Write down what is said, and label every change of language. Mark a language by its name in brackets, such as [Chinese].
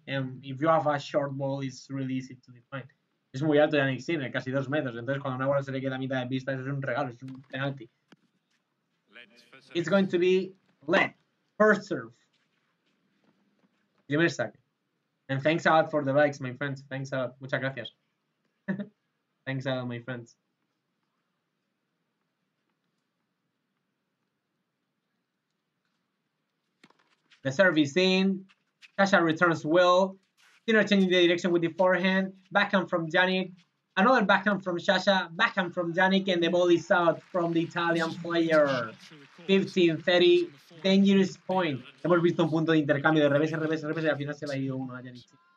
[English] And if you have a short ball, it's really easy to define. [Spanish] Es muy alto Jannik Sinner, casi 2 meters. Entonces, cuando una bola se le queda a mitad de pista, eso es un regalo, es un penalti. [English] It's going to be led. First serve. [Spanish] Primer saque. [English] And thanks a lot for the likes, my friends. Thanks a lot. [Spanish] Muchas gracias. [English] Thanks a lot, my friends. The serve is in. Sasha returns well. Sinner changing the direction with the forehand. Backhand from Jannik. Another backhand from Sasha. Backhand from Jannik. And the ball is out from the Italian player. 15-30. Dangerous point. [Spanish] Hemos visto un punto de intercambio de revés, revés, revés, y al final se le ha ido uno a Jannik.